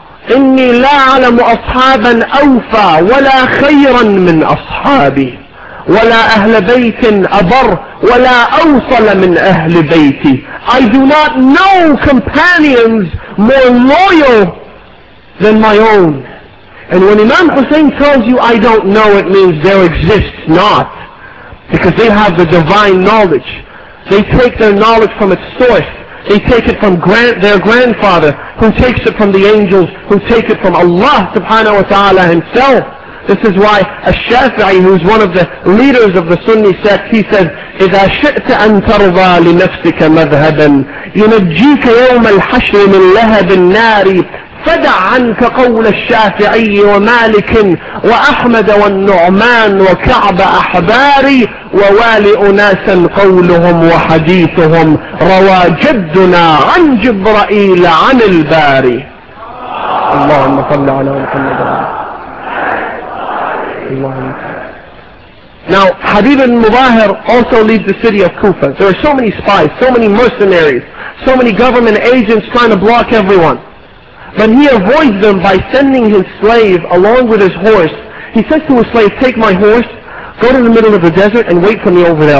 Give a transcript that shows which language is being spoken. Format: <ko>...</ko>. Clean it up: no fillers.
<ar>إني لا أعلم أصحابا أوفى ولا خيرا من أصحابي ولا أهل بيت أبر ولا أوصل من أهل بيتي.</ar> <en>I do not know companions more loyal than my own. And when Imam Hussein tells you I don't know, it means there exists not. Because they have the divine knowledge. They take their knowledge from its source. They take it from their grandfather, who takes it from the angels, who take it from Allah subhanahu wa ta'ala himself. This is why Ash-Shafi'i, who's one of the leaders of the Sunni sect, he says,</en> <ar>إِذَا شِئْتَ أَن تَرْضَى لِنَفْسِكَ مَذْهَبًا يُنَجِّيكَ يَوْمَ الْحَشْرِ مِنْ لَهَبِ النَّارِ فَدَعْ عَنْكَ قَوْلَ الشَّافِعِيِّ وَمَالِكٍ وَأَحْمَدَ وَالنُّعْمَانِ وَكَعْبَ أَحْبَارِي وَوَالِ أُنَاسًا قَوْلُهُمْ وَحَدِيثُهُمْ رَوَى جَدُّنَا عَنْ جِبْرَئِيلَ عَنِ الْبَارِي. اللهم صل على محمد وعلى اللهم.</ar> <en>Now, Habib ibn Mubahir also leads the city of Kufa. There are so many spies, so many mercenaries, so many government agents trying to block everyone. But he avoids them by sending his slave along with his horse. He says to his slave, take my horse, go to the middle of the desert and wait for me over there.</en>